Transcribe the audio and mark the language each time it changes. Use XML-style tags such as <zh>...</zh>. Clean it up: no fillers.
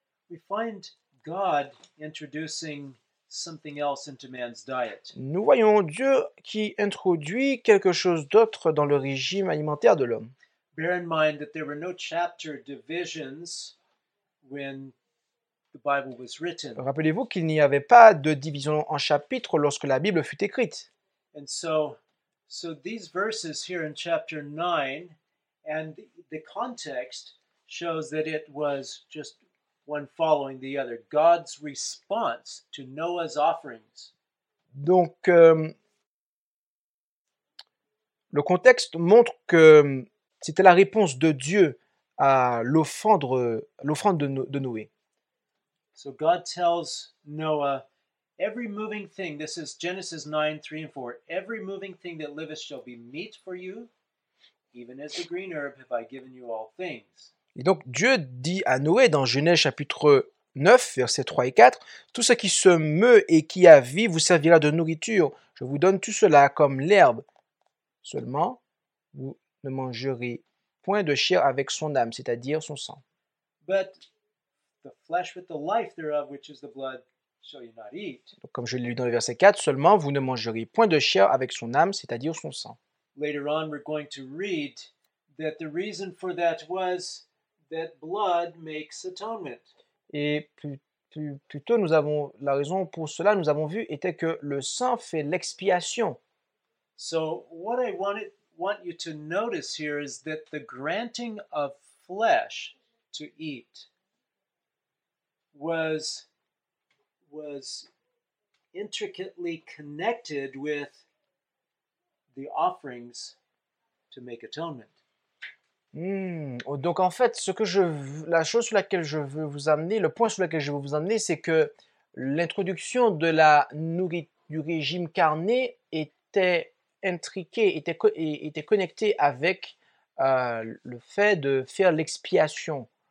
<en>we find God introducing something else into man's diet.</en> <fr>nous voyons Dieu qui introduit quelque chose d'autre dans le régime alimentaire de l'homme.</fr> <en>Bear in mind that there were no chapter divisions when the Bible was written.</en> <fr>Rappelez-vous qu'il n'y avait pas de division en chapitres lorsque la Bible fut écrite.</fr> <en>And so these verses here in chapter 9 and the context shows that it was just one following the other. God's response to Noah's offerings.</en> <fr>Donc, le contexte montre que c'était la réponse de Dieu à l'offrande de Noé.</fr> <en>So God tells Noah, every moving thing, this is Genesis 9, 3 and 4, every moving thing that liveth shall be meat for you, even as the green herb have I given you all things.</en> <fr>Et donc Dieu dit à Noé dans Genèse chapitre 9, versets 3 et 4, tout ce qui se meut et qui a vie vous servira de nourriture. Je vous donne tout cela comme l'herbe. Seulement, vous ne mangerez point de chair avec son âme, c'est-à-dire son sang.</fr> <en>But the flesh with the life thereof, which is the blood, shall you not eat.</en> <fr>Donc, comme je l'ai lu dans le verset 4, seulement vous ne mangerez point de chair avec son âme, c'est-à-dire son sang.</fr> <en>Later on, we're going to read that the reason for that was that blood makes atonement.</en> <fr>Et plus tôt, nous avons la raison pour cela, nous avons vu, était que le sang fait l'expiation.</fr> <en>So what I want you to notice here is that the granting of flesh to eat was intricately connected with the offerings to make atonement.</en> <fr>Donc en fait, ce que la chose sur laquelle je veux vous amener, le point sur lequel je veux vous amener, c'est que l'introduction de la nourriture du régime carné était intriquée, était connectée avec le fait de faire l'expiation.</fr>